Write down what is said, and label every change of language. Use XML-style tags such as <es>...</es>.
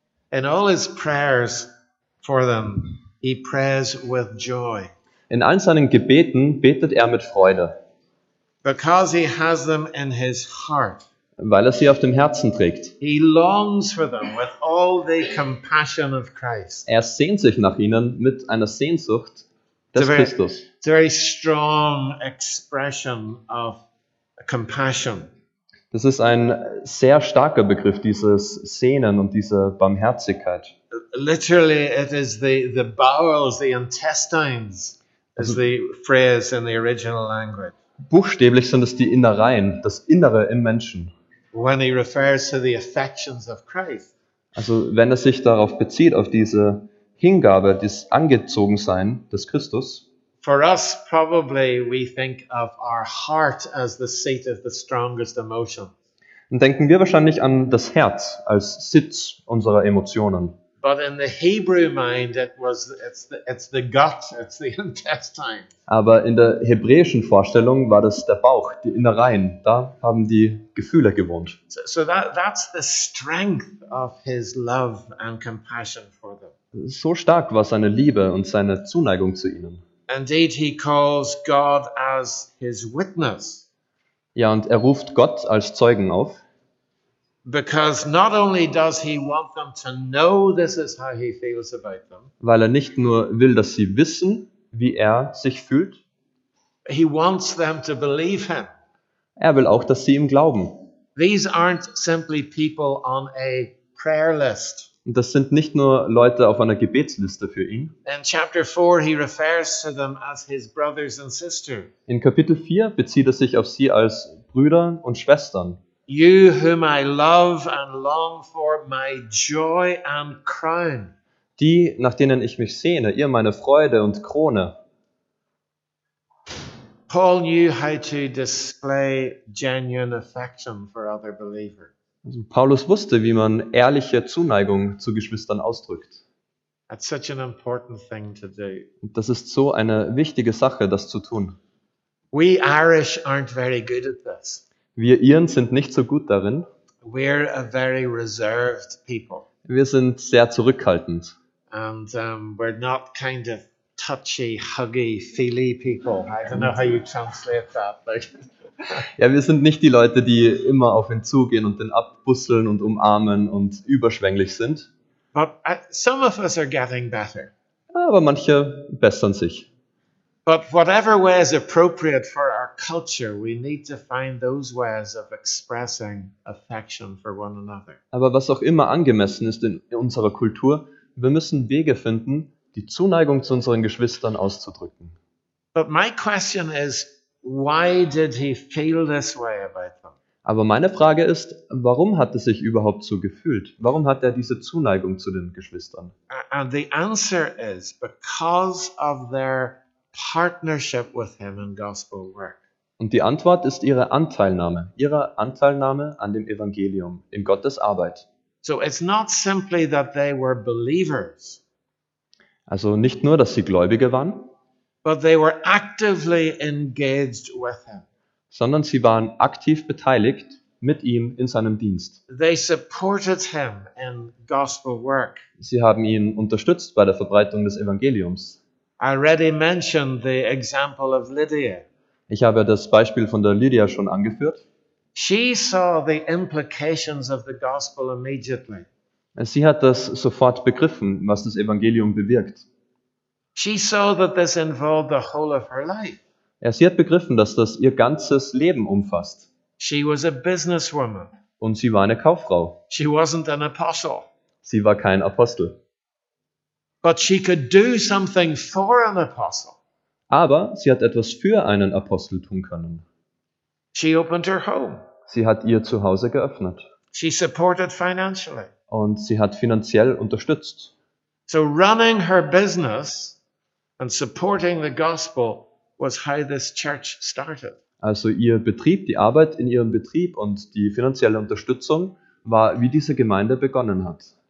<en>In all his prayers for them, he prays with joy.</en> <de>In all seinen Gebeten betet er mit Freude.</de> <en>Because he has them in his heart.</en> <de>Weil er sie auf dem Herzen trägt.</de> <en>He longs for them with all the compassion of Christ.</en> <de>Er sehnt sich nach ihnen mit einer Sehnsucht Das ist Christus.</de> <en>It's a very strong expression of compassion.</en> <de>Das ist ein sehr starker Begriff, dieses Sehnen und diese Barmherzigkeit.</de> <en>Literally, it is the bowels, the intestines, is the phrase in the original language.</en> <de>Buchstäblich sind es die Innereien, das Innere im Menschen.</de> <en>When he refers to the affections of Christ.</en> <de>Also wenn er sich darauf bezieht, auf diese Hingabe, dieses Angezogensein des Christus.</de> <en>For us, probably we think of our heart as the seat of the strongest emotion.</en> <de>Dann denken wir wahrscheinlich an das Herz als Sitz unserer Emotionen.</de> <en>But in the Hebrew mind, it's the gut, it's the intestine.</en> <de>Aber in der hebräischen Vorstellung war das der Bauch, die Innereien. Da haben die Gefühle gewohnt.</de> <en>So that's the strength of his love and compassion for them.</en> <de>So stark war seine Liebe und seine Zuneigung zu ihnen.</de> <en>Indeed, he calls God as his witness.</en> <de>Ja, und er ruft Gott als Zeugen auf.</de> <en>Because not only does he want them to know this is how he feels about them.</en> <de>Weil er nicht nur will, dass sie wissen, wie er sich fühlt.</de> <en>He wants them to believe him.</en> <de>Er will auch, dass sie ihm glauben.</de> <en>These aren't simply people on a prayer list.</en> <de>Und das sind nicht nur Leute auf einer Gebetsliste für ihn.</de> <en>In chapter 4 he refers to them as his brothers and sisters.</en> <de>In Kapitel 4 bezieht er sich auf sie als Brüder und Schwestern.</de> <en>You whom I love and long for, my joy and crown.</en> <de>Die, nach denen ich mich sehne, ihr meine Freude und Krone.</de> <en>Paul knew how to display genuine affection for other believers.</en> <de>Also Paulus wusste, wie man ehrliche Zuneigung zu Geschwistern ausdrückt.</de> <en>That's such an important thing to do.</en> <de>Das ist so eine wichtige Sache, das zu tun.</de> <en>We Irish aren't very good at this.</en> <de>Wir Iren sind nicht so gut darin.</de> <en>We're a very reserved people.</en> <de>Wir sind sehr zurückhaltend.</de> <en>And we're not kind of touchy, huggy, feely people. I don't know how you translate that.</en> <de>Ja, wir sind nicht die Leute, die immer auf ihn zugehen und ihn abbusseln und umarmen und überschwänglich sind.</de> <en>But some of us are getting better.</en> <de>Aber manche bessern sich.</de> <en>But whatever way is appropriate for our culture, we need to find those ways of expressing affection for one another.</en> <de>Aber was auch immer angemessen ist in unserer Kultur, wir müssen Wege finden, die Zuneigung zu unseren Geschwistern auszudrücken.</de> <en>But my question is, why did he feel this way about them?</en> <de>Aber meine Frage ist, warum hat er sich überhaupt so gefühlt? Warum hat er diese Zuneigung zu den Geschwistern?</de> <en>And the answer is because of their partnership with him in gospel work.</en> <de>Und die Antwort ist ihre Anteilnahme an dem Evangelium, in Gottes Arbeit.</de> <en>So it's not simply that they were believers.</en> <de>Also nicht nur, dass sie Gläubige waren.</de> <en>But they were actively engaged with him.</en> <de>Sondern sie waren aktiv beteiligt mit ihm in seinem Dienst.</de> <en>They supported him in gospel work.</en> <de>Sie haben ihn unterstützt bei der Verbreitung des Evangeliums.</de> <en>I already mentioned the example of Lydia.</en> <de>Ich habe das Beispiel von der Lydia schon angeführt.</de> <en>She saw the implications of the gospel immediately.</en> <de>Sie hat das sofort begriffen, was das Evangelium bewirkt.</de> <en>She saw that this involved the whole of her life.</en> <de>Ja, sie hat begriffen, dass das ihr ganzes Leben umfasst.</de> <en>She was a businesswoman.</en> <de>Und sie war eine Kauffrau.</de> <en>She wasn't an apostle.</en> <de>Sie war kein Apostel.</de> <en>But she could do something for an apostle.</en> <de>Aber sie hat etwas für einen Apostel tun können.</de> <en>She opened her home.</en> <de>Sie hat ihr Zuhause geöffnet.</de> <en>She supported financially.</en> <de>Und sie hat finanziell unterstützt.</de> <en>So running her business and supporting the gospel was how this church started.</en> <de>Also ihr Betrieb, die Arbeit in ihrem Betrieb und die finanzielle Unterstützung war, wie diese Gemeinde begonnen hat.</de>